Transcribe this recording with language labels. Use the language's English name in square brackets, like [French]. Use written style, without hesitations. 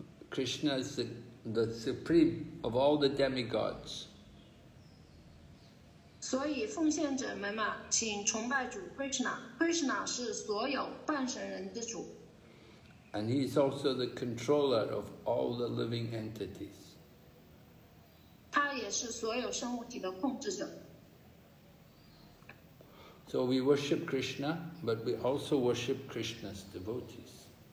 [English] Krishna is the supreme of all the demigods. [Chinese] 所以奉献者们嘛，请崇拜主 Krishna. Krishna 是所有半神人之主。 [English] And he is also the controller of all the living entities. [Chinese] 他也是所有生物体的控制者。 [English] So we worship Krishna, but we also worship Krishna's devotees.